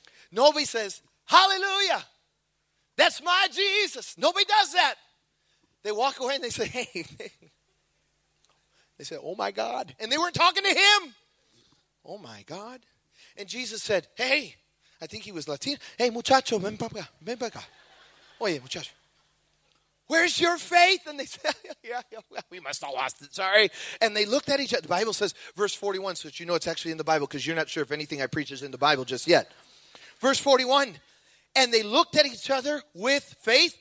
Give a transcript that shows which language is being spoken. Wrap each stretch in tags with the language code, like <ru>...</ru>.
<en>Nobody says, hallelujah, that's my Jesus. Nobody does that. They walk away and they say, hey. They say, oh my God. And they weren't talking to him. Oh my God. And Jesus said, hey, I think he was Latino.</en> <es>Hey, muchacho, ven para acá, ven para acá. Oye, muchacho,</es> <en>where's your faith? And they said, yeah, we must have lost it, sorry. And they looked at each other. The Bible says, verse 41, so that you know it's actually in the Bible because you're not sure if anything I preach is in the Bible just yet. Verse 41, and they looked at each other with faith.</en>